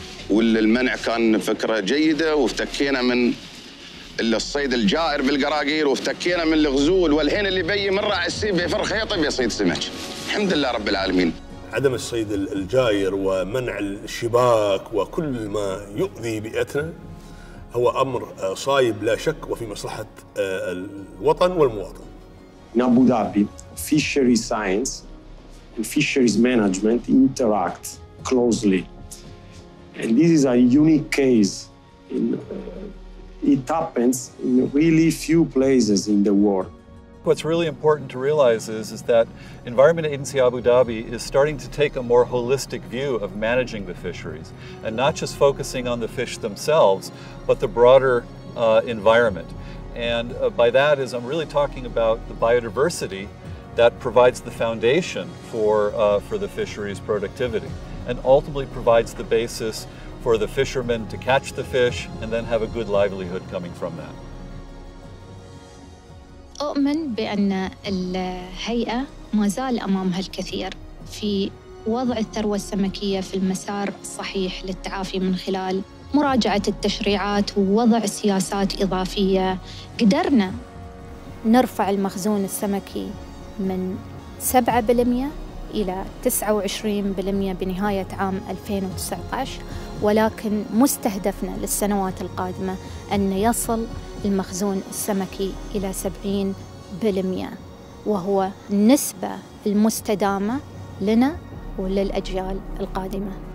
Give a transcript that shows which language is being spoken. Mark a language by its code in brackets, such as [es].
[ar] والمنع كان فكرة جيدة وافتكينا من الصيد الجائر بالقراقير وافتكينا من الغزول والحين اللي بي مرة على السيب بيفر خيطه بيصيد سمك الحمد لله رب العالمين عدم الصيد الجائر ومنع الشباك وكل ما يؤذي بيئتنا هو أمر صايب لا شك وفي مصلحة الوطن والمواطن [en] In Abu Dhabi, fishery science and fisheries management interact closely and this is a unique case in It happens in really few places in the world. What's really important to realize is that Environment Agency Abu Dhabi is starting to take a more holistic view of managing the fisheries and not just focusing on the fish themselves, but the broader environment. And by that is I'm really talking about the biodiversity that provides the foundation for the fisheries productivity and ultimately provides the basis for the fishermen to catch the fish and then have a good livelihood coming from that. [ar] أؤمن بأن الهيئة ما زال أمامها الكثير في وضع الثروة السمكية في المسار الصحيح للتعافي من خلال مراجعة التشريعات ووضع سياسات إضافية. قدرنا نرفع المخزون السمكي من 7% إلى 29% بنهاية عام 2019، ولكن مستهدفنا للسنوات القادمة أن يصل المخزون السمكي إلى 70%، وهو النسبة المستدامة لنا وللأجيال القادمة.